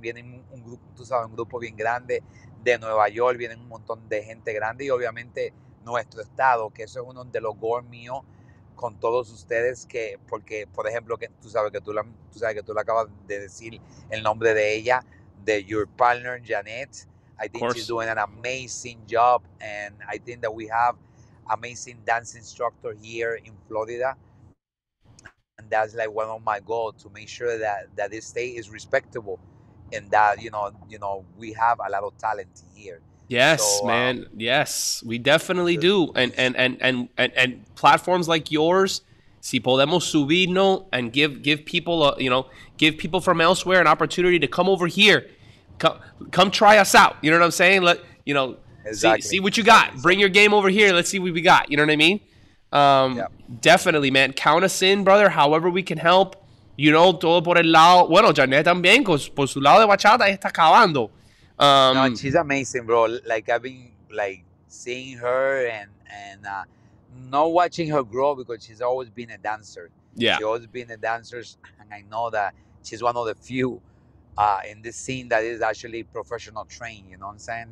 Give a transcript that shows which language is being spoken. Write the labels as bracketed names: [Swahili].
[Spanish] Vienen un grupo, tú sabes, un grupo bien grande de Nueva York. Vienen un montón de gente grande y obviamente nuestro estado, que eso es uno de los goals míos con todos ustedes, que porque, por ejemplo, que tú sabes que tú la acabas de decir el nombre de ella, de [English] your partner, [Spanish] Jeanette. [English] I think she's doing an amazing job, and I think that we have amazing dance instructor here in Florida. And that's like one of my goals, to make sure that this state is respectable and that, you know, we have a lot of talent here. Yes, so, man. Yes, we definitely do. And platforms like yours, [Spanish] si podemos subirnos [English] and give people, give people from elsewhere an opportunity to come over here. Come try us out. You know what I'm saying? Exactly. See what you got. Bring your game over here. Let's see what we got. You know what I mean? Yep. Definitely, man. Count us in, brother. However we can help, [Spanish] You know, todo por el lado. Bueno, Janet también, por su lado de bachata, está acabando. [English] No, she's amazing, bro. Like, I've been, like, seeing her and not watching her grow because she's always been a dancer. Yeah. She's always been a dancer, and I know that she's one of the few in this scene that is actually professional trained, you know what I'm saying?